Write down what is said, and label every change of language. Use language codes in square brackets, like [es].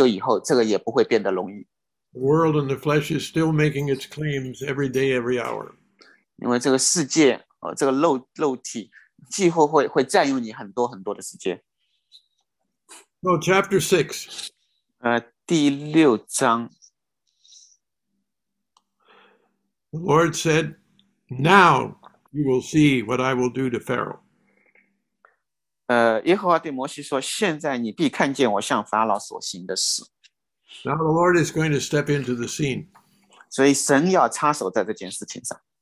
[zh] 但是可能我要跟你说的，要让你失望是，即使你退休以后，这个也不会变得容易。 [en] The world and the flesh is still making its claims every day, every hour. [zh] 因为这个世界，这个肉体。 [en] So chapter 6. [zh] 第六章, [en] the Lord said, now you will see what I will do to Pharaoh. [zh] 耶和华对摩西说，现在你必看见我向法老所行的事。 [en] Now the Lord is going to step into the scene. [zh] 所以神要插手在这件事情上。